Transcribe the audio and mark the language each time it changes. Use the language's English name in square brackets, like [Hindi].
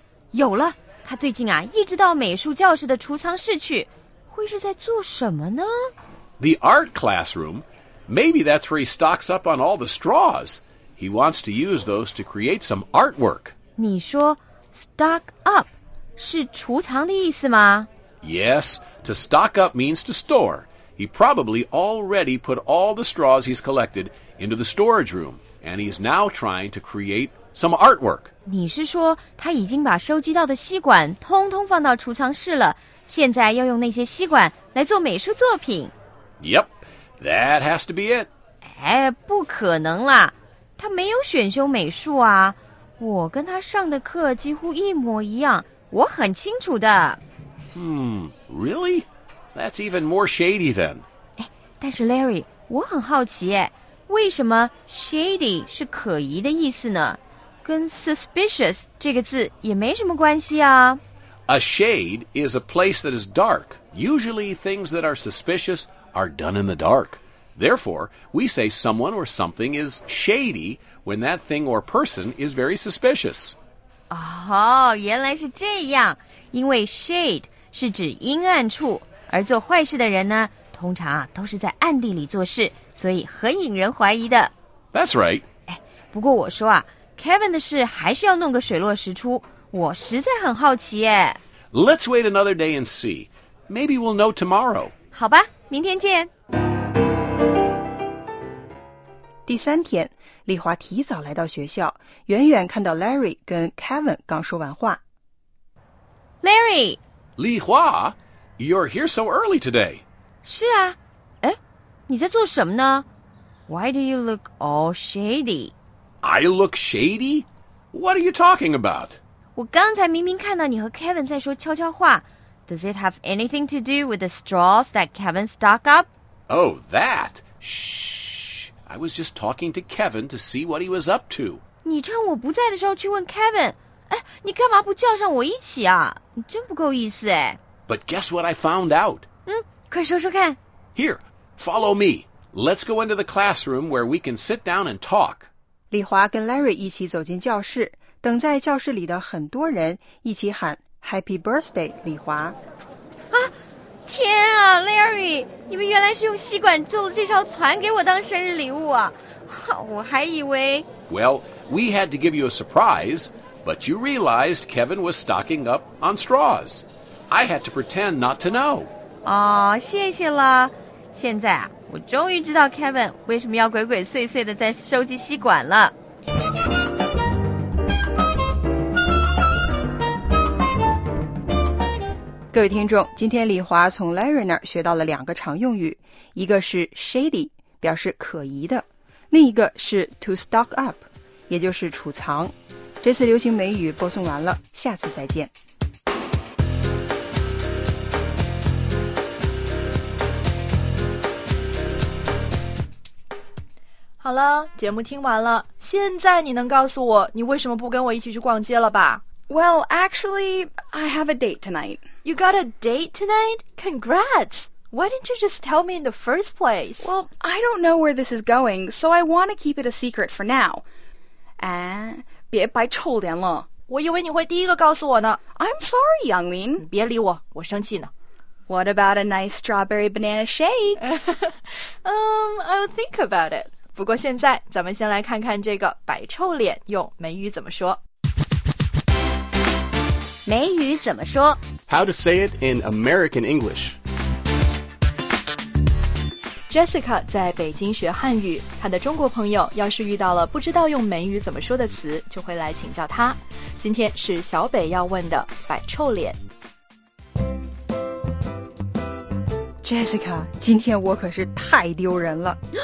[Chinese] 有了。他最近啊，一直到美术教室的储藏室去，会是在做什么呢？ [English] The art classroom. Maybe that's where he stocks up on all the straws. He wants to use those to create some artwork. [Chinese] 你说 stock up 是储藏的意思吗？ [English] Yes, to stock up means to store. He probably already put all the straws he's collected into the storage room, and he's now trying to create some artwork. [Chinese] 你是说他已经把收集到的吸管通通放到储藏室了，现在要用那些吸管来做美术作品。 [English] Yep, that has to be it. [Chinese] 哎，不可能啦，他没有选修美术啊，我跟他上的课几乎一模一样，我很清楚的。 [English] Really? That's even more shady then. [Chinese] 哎，但是 Larry, 我很好奇耶，为什么 shady 是可疑的意思呢？跟 suspicious 这个字也没什么关系啊。 [English] A shade is a place that is dark. Usually things that are suspicious are done in the dark. Therefore, we say someone or something is shady when that thing or person is very suspicious. [Chinese] 哦，原来是这样。因为 shade 是指阴暗处，而做坏事的人呢，通常啊，都是在暗地里做事，所以很引人怀疑的。 [English] That's right. [Chinese] 哎，不过我说啊， Kevin 的事还是要弄个水落石出。我实在很好奇耶。 [English] Let's wait another day and see. Maybe we'll know tomorrow. [Chinese] 好吧，明天见。第三天，丽华提早来到学校，远远看到 Larry 跟 Kevin 刚说完话。 [English] Larry! 丽华， you're here so early today. [Chinese] 是啊，哎，你在做什么呢？ [English] Why do you look all shady? I look shady? What are you talking about? [Chinese] 我刚才明明看到你和 Kevin 在说悄悄话。 [English] Does it have anything to do with the straws that Kevin stock up? Oh, that! Shh! I was just talking to Kevin to see what he was up to. [Chinese] 你趁我不在的时候去问 Kevin? 哎，你干嘛不叫上我一起啊？你真不够意思哎。 [English] But guess what I found out? [Chinese] 嗯，快说说看。 [English] Here, follow me. Let's go into the classroom where we can sit down and talk. [Chinese] 李华跟 Larry 一起走进教室。等在教室里的很多人一起喊 [English] Happy Birthday, [Chinese] 李华。啊，天啊 ,Larry, 你们原来是用吸管做了这条船给我当生日礼物啊。我还以为。 [English] Well, we had to give you a surprise, but you realized Kevin was stocking up on straws. I had to pretend not to know. [Chinese] 哦，谢谢了。现在啊，我终于知道 Kevin 为什么要鬼鬼祟祟地在收集吸管了。各位听众，今天李华从 Larry 那儿学到了两个常用语，一个是 shady， 表示可疑的，另一个是 to stock up， 也就是储藏。这次流行美语播送完了，下次再见。好了，节目听完了，现在你能告诉我你为什么不跟我一起去逛街了吧？ [English] Well, actually, I have a date tonight. You got a date tonight? Congrats! Why didn't you just tell me in the first place? Well, I don't know where this is going, so I want to keep it a secret for now. [Chinese] 别白臭脸了。我以为你会第一个告诉我呢。 [English] I'm sorry, Yanglin. [Chinese] 别理我，我生气呢。 [English] What about a nice strawberry banana shake? I'll think about it. [Chinese] 不过现在，咱们先来看看这个白臭脸用美语怎么说。美语怎么说？ [English] How to say it in American English. [Chinese] Jessica 在北京学汉语，她的中国朋友要是遇到了不知道用美语怎么说的词，就会来请教她。今天是小北要问的摆臭脸。 Jessica， 今天我可是太丢人了。